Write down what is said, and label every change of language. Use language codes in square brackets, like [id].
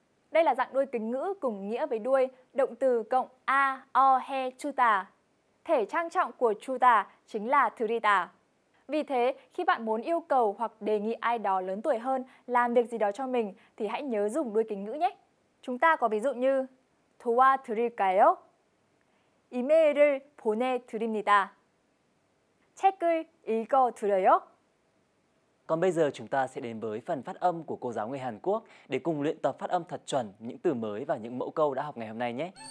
[vi] Đây là dạng đuôi kính ngữ cùng nghĩa với đuôi động từ cộng a o he 주다. Thể trang trọng của 주다 chính là 드리다. Vì thế, khi bạn muốn yêu cầu hoặc đề nghị ai đó lớn tuổi hơn làm việc gì đó cho mình thì hãy nhớ dùng đuôi kính ngữ nhé. Chúng ta có ví dụ như [ko] 도와드릴까요? 이메일을 보내드립니다. 책을 읽어드려요. [vi] Còn bây giờ chúng ta sẽ đến với phần phát âm của cô giáo người Hàn Quốc để cùng luyện tập phát âm thật chuẩn những từ mới và những mẫu câu đã học ngày hôm nay nhé.